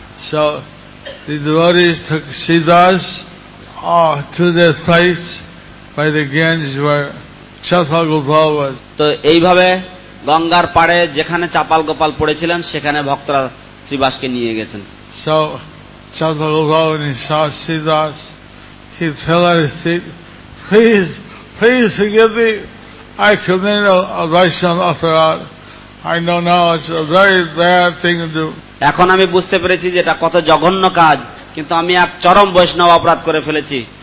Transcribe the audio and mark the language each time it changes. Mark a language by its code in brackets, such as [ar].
[en] So the devotees took Srivas to their place by the Ganges where Chapal Gopal was. [bn] তো এইভাবে গঙ্গার পাড়ে যেখানে চাপাল গোপাল পড়েছিলেন সেখানে ভক্তরা শ্রীবাসকে নিয়ে গেছেন। [en] So Chandragupta and he saw Siddhas, he fell at his feet, "Please, please forgive me. I committed a Vaishnava Aparad. I know now it's a very bad thing to do." [bn] এখন আমি বুঝতে পেরেছি যে এটা কত জঘন্য কাজ, কিন্তু আমি এক চরম বৈষ্ণব অপরাধ করে ফেলেছি।